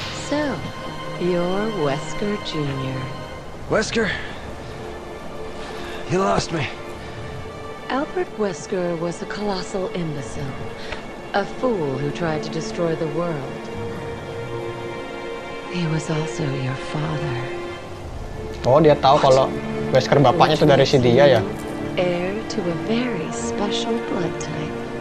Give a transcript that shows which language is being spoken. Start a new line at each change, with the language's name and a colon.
English: So, you're Wesker Jr. Wesker? You lost me. Albert Wesker was a colossal imbecile. A fool who tried to destroy the world. He was also your father.
Indonesian: Oh, dia tahu kalau Wesker bapaknya itu dari si dia ya.
English: Heir to a very special blood type.